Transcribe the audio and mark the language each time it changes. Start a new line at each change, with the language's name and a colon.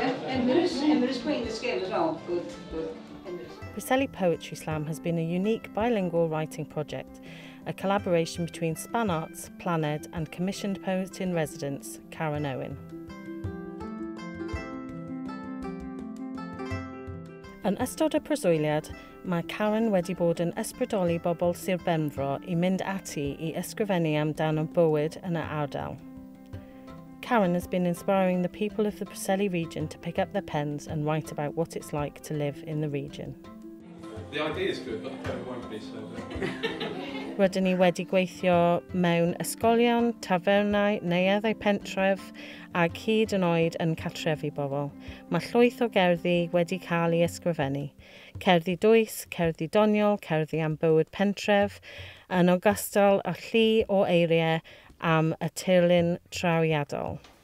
English: Emyr is playing this game as well. Good. Preseli Poetry Slam has been a unique bilingual writing project, a collaboration between Span Arts, Planed and commissioned poet in residence, Karen Owen.
Welsh: Yn ystod y preswyliad, mae Karen wedi bod yn ysbrydoli bobl Sir Benfro I mynd ati I ysgrifennu amdano bywyd yn y ardal.
English: Karen has been inspiring the people of the Preseli region to pick up their pens and write about what it's like to live in the region. The idea is good, but I won't be so good.
Welsh: Rydyn ni wedi gweithio mewn ysgolion, tafernau, neuaddau pentref a cyd yn oed yn cartrefi bobl. Mae llwyth o gerddi wedi cael eu ysgrifennu. Cerddi dwys, cerddi doniol, cerddi am bywyd pentref, yn ogystal â llu o eiriau am y tirlun trawiadol.